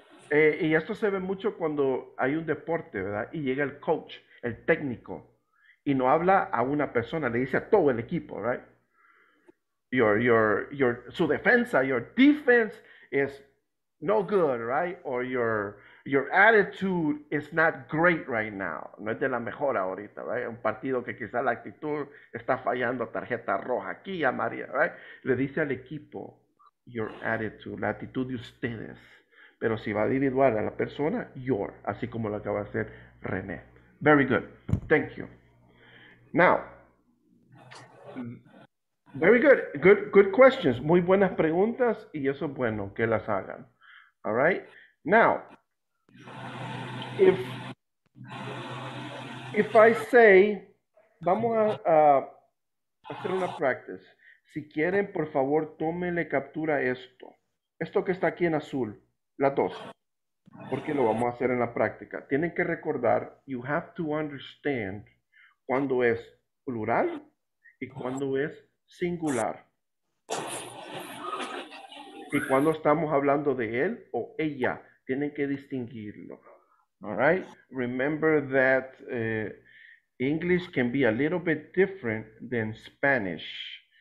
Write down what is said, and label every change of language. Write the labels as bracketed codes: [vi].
[es] Y esto se ve mucho cuando hay un deporte, ¿verdad? Y llega el coach, el técnico, y no habla a una persona, le dice a todo el equipo, [en] right? Your [es] su defensa, [en] your defense is no good, right? Or your attitude is not great right now. [es] No es de la mejor ahorita, [en] right? [es] Un partido que quizá la actitud está fallando, tarjeta roja aquí, a María, [en] right? [es] Le dice al equipo, [en] your attitude, [es] la actitud de ustedes. Pero si va a individuar a la persona, your, así como lo acaba de hacer René. [en] Very good. Thank you. Now, very good. Good questions. [es] Muy buenas preguntas y eso es bueno que las hagan. [en] All right? Now, if I say, [es] vamos a hacer una [en] practice. [es] Si quieren, por favor, tómenle captura esto. Esto que está aquí en azul. La dos, porque lo vamos a hacer en la práctica. Tienen que recordar, [en] you have to understand [es] cuando es plural y cuando es singular. Y cuando estamos hablando de él o ella, tienen que distinguirlo. [en] All right? Remember that English can be a little bit different than Spanish.